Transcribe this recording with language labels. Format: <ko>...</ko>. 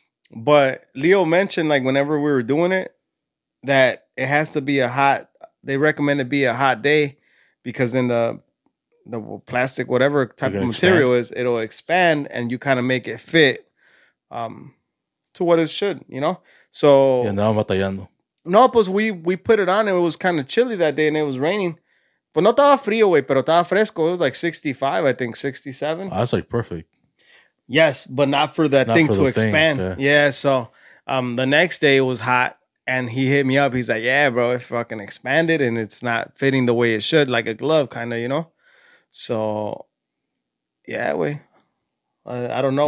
<en>But Leo mentioned, like, whenever we were doing it, that it has to be a hot, they recommend it be a hot day, because then the plastic, whatever type of material expand. Is, it'll expand and you kind of make it fit to what it should, you know? So,</en> <es>yeah, batallando. No, pues</es> <en>we put it on and it was kind of chilly that day and it was raining.</en> <es>But no estaba frío, wey, pero estaba fresco.</es> <en>It was like 65, I think, 67. Oh, that's like perfect. Yes, but not for that not thing for to expand. Thing, yeah. Yeah, so the next day it was hot and he hit me up. He's like, yeah, bro, it fucking expanded and it's not fitting the way it should, like a glove kind of, you know? So, yeah, wey. I don't know.</en>